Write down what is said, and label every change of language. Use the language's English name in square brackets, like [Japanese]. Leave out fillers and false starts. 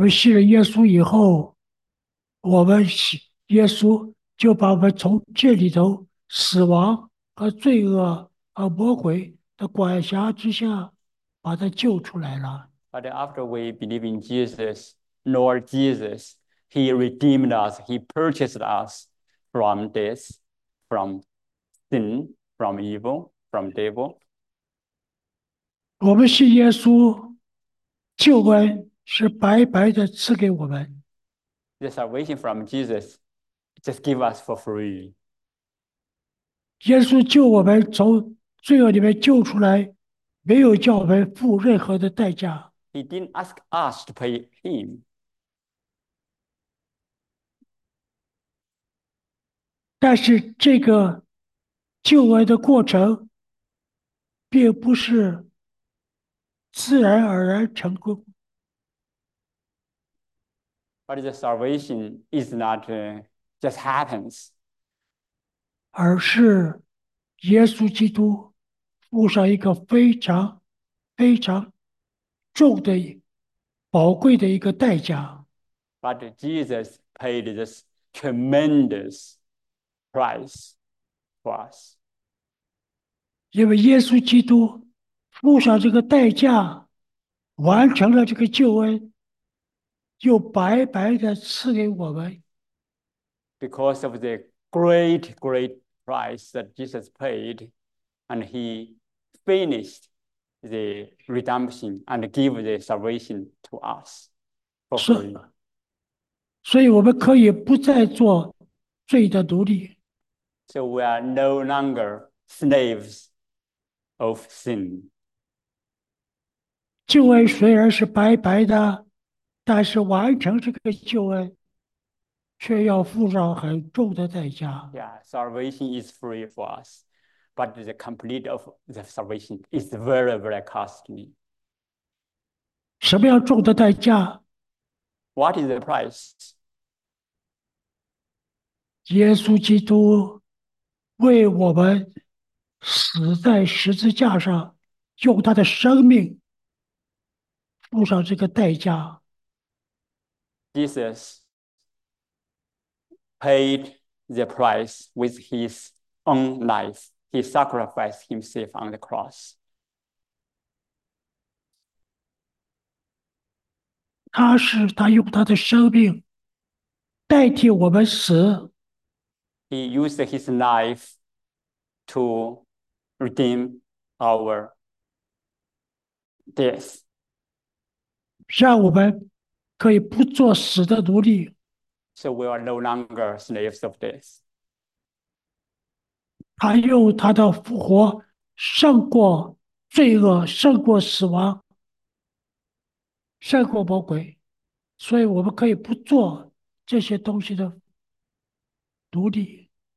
[Chinese] 们信了耶稣以后，我们信耶稣就把我们从这里头死亡和罪恶。而魔鬼的管辖之下，把他救出来了。 [English] But after we believe in Jesus, Lord Jesus, He redeemed us, He purchased us from death, from sin, from evil, from devil. [Chinese] 我们信耶稣，救恩是白白的赐给我们。 [English] The salvation from Jesus just give us for free. [Chinese] 耶稣救我们从罪恶里面救出来，没有叫我们付任何的代价。 [English] He didn't ask us to pay him. [Chinese] 但是这个救恩的过程，并不是自然而然成功。 [English] But the salvation is not just happens. [Chinese] 而是耶稣基督付上一个非常非常重的、宝贵的一个代价。 [English] But Jesus paid this tremendous price for us. [Chinese] 因为耶稣基督付上这个代价，完成了这个救恩，又白白的赐给我们。 [English] Because of the great, great price that Jesus paid, and he finished the redemption and gave the salvation to us for free. [Chinese] 所以我们可以不再做罪的奴隶。 [English] So we are no longer slaves of sin. [Chinese] 救恩虽然是白白的，但是完成这个救恩，却要付上很重的代价。 [English] Yeah, salvation is free for us, but the complete of the salvation is very, very costly. [Chinese] 什么样重的代价？ [English] What is the price? [Chinese] 耶稣基督为我们死在十字架上，用他的生命付上这个代价。 [English] Jesus paid the price with his own life. He sacrificed himself on the cross. [Chinese] 他用他的生命代替我们死。 [English] He used his life to redeem our death. [Chinese] 让我们可以不做死的奴隶。 [English] So we are no longer slaves of death. [Chinese] 他用他的复活胜过罪恶，胜过死亡，胜过魔鬼，所以我们可以不做这些东西的奴隶。